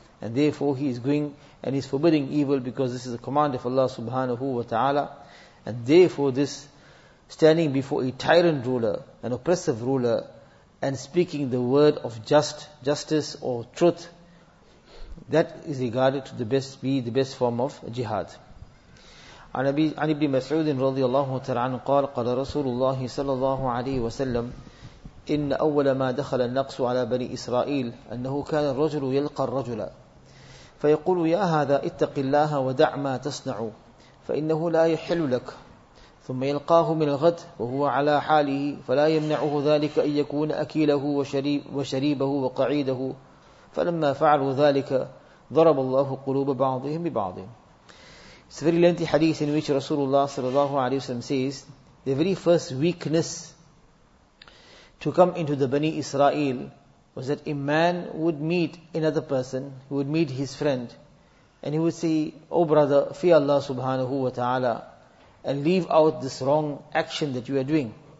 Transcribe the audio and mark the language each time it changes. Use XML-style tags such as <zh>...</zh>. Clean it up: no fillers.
<en>And therefore he is going and he's forbidding evil because this is a command of Allah subhanahu wa ta'ala. And therefore this standing before a tyrant ruler, an oppressive ruler, and speaking the word of justice or truth, that is regarded to be the best form of jihad.</en> <ar>An Ibn Mas'ud radiallahu ta'ala anhu qala qala Rasulullah sallallahu alayhi wa sallam: إن أول ما دخل النقص على بني إسرائيل أنه كان الرجل يلقى الرجل فيقول: يا هذا اتق الله ودع ما تصنع فإنه لا يحل لك، ثم يلقاه من الغد وهو على حاله، فلا يمنعه ذلك أن يكون أكيله وشريبه وقعيده، فلما فعلوا ذلك ضرب الله قلوب بعضهم ببعض.</ar> <en>It's a very lengthy hadith in which Rasulullah sallallahu alayhi wa sallam says the very first weakness to come into the Bani Israel was that a man would meet another person, he would meet his friend, and he would say, "Oh brother, fear Allah subhanahu wa ta'ala, and leave out this wrong action that you are doing."</en>